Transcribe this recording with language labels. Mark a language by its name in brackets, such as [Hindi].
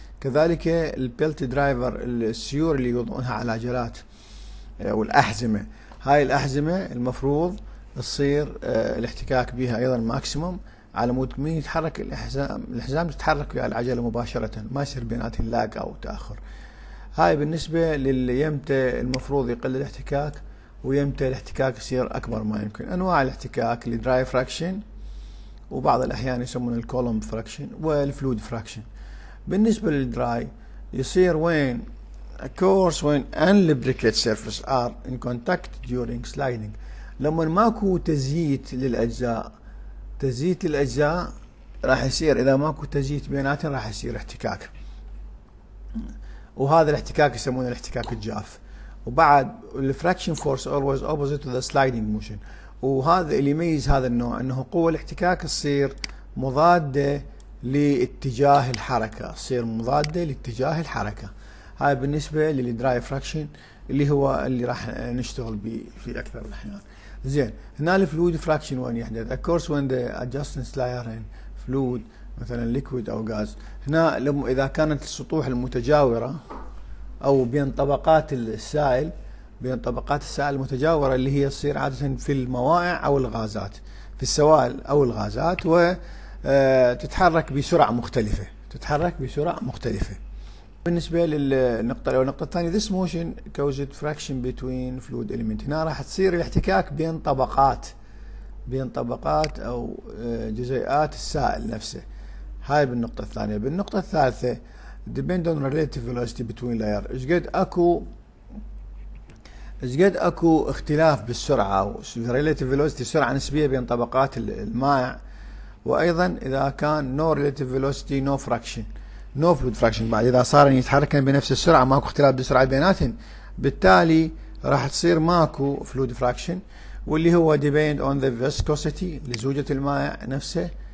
[Arabic] كذلك البيلت درايفر، السيور اللي يوضعونها على عجلات والأحزمة، هاي الأحزمة المفروض تصير الاحتكاك بها أيضا ماكسيموم، على مود مين يتحرك الحزام تتحرك على العجلة مباشرة، ما يصير بينات اللاق أو تأخر. هاي بالنسبة ليمتى المفروض يقل الاحتكاك ويمتى الاحتكاك يصير أكبر ما يمكن. أنواع الاحتكاك: الدراي فراكشن، وبعض الأحيان يسمون الكولوم فراكشن والفلويد فراكشن. بالنسبة للدراي يصير وين؟ [English] A course when unlubricated surface are in contact during sliding. [Arabic] لما ماكو تزييت للأجزاء، تزييت للأجزاء راح يصير، إذا ماكو تزييت بيناتهم راح يصير احتكاك، وهذا الاحتكاك يسمونه الاحتكاك الجاف. وبعد الفراكشن فورس [English] always opposite to the sliding motion. [Arabic] وهذا اللي يميز هذا النوع، أنه قوة الاحتكاك تصير مضادة لاتجاه الحركة، تصير مضادة لاتجاه الحركة. هاي بالنسبة للدراي فراكشن اللي هو اللي راح نشتغل به في أكثر الأحيان. زين، هنا الفلويد فراكشن وين يحدث؟ [English] Of course when the adjacent layer in fluid، [Arabic] مثلا ليكويد أو غاز. هنا إذا كانت السطوح المتجاورة أو بين طبقات السائل، بين طبقات السائل المتجاورة اللي هي تصير عادة في الموائع أو الغازات، في السوائل أو الغازات، وتتحرك بسرعة مختلفة، تتحرك بسرعة مختلفة. بالنسبة للنقطة أو النقطة الثانية، [English] this motion causes friction between fluid element. [Arabic] هنا راح تصير الاحتكاك بين طبقات، بين طبقات أو جزيئات السائل نفسه. هاي بالنقطة الثانية. بالنقطة الثالثة، [English] depend on relative velocity between layer. [Arabic] إيش قد أكو إيش قد أكو اختلاف بالسرعة relative velocity سرعة نسبية بين طبقات المائع، وأيضا إذا كان [English] no relative velocity no fraction no fluid fraction [Arabic] بعد إذا صار يتحركن بنفس السرعة ماكو اختلاف بالسرعة بيناتهم، بالتالي راح تصير ماكو fluid fraction واللي هو [English] depend on the viscosity [Arabic] لزوجة المائع نفسه